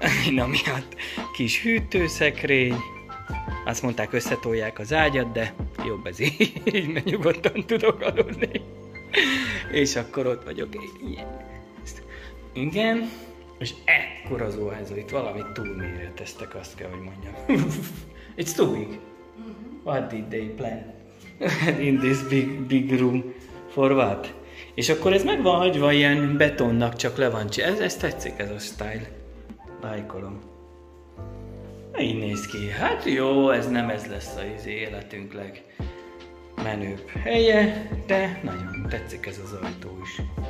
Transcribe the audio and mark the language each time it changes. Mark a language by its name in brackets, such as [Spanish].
[Hungarian] Na miatt kis hűtőszekrény, azt mondták, összetolják az ágyat, de jobb ez így, mert nyugodtan tudok aludni. És akkor ott vagyok, ilyen. Igen, és ekkora zuhányzó, itt valamit túlméreteztek, azt kell, hogy mondjam. [English] It's too big. What did they plan in this big room for what? [Hungarian] És akkor ez meg van hagyva ilyen betonnak, csak le van csinálva. Ez tetszik, ez a style. Lájkolom. Így néz ki. Hát jó, ez nem ez lesz az életünk legmenőbb helye, de nagyon tetszik ez az ajtó is.